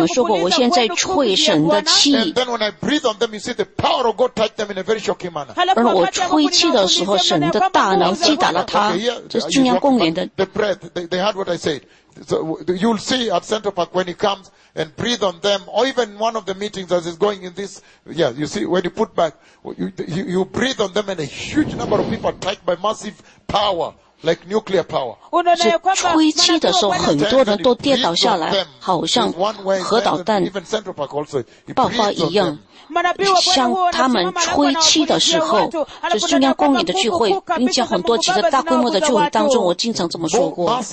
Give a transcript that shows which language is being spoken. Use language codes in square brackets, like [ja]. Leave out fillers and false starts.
[zh] 很大的聚会，每次很大规模的聚会当中，我经常跟你们说过，我现在吹神的气。 [en] And then when I breathe on them, you see the power of God touch them in a very shocking manner. [zh] 而我吹气的时候，神的大能击打了他，这是中央公园的。 [en] They heard what I said. So you'll see at Central Park when he comes and breathe on them, or even one of the meetings as he's going in this. Yeah, you see when he put back, you breathe on them, and a huge number of people are attacked by massive power, like nuclear power. [zh] 吹气的时候，很多人都跌倒下来，好像核导弹爆发一样。像他们吹气的时候，就是中央公园的聚会，并且很多其他大规模的聚会当中，我经常这么说过。